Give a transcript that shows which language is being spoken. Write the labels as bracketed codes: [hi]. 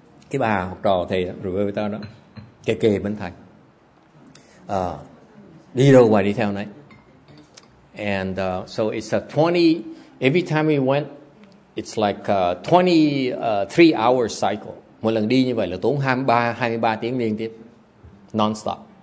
[vi] Cái bà học trò thầy Roberta đó, kề bên thầy. Đi đâu ngoài đi theo này. [en] And so it's a 20, every time we went, it's like a 23 hour cycle. [vi] Một lần đi như vậy là tốn 23 tiếng liên tiếp, non-stop.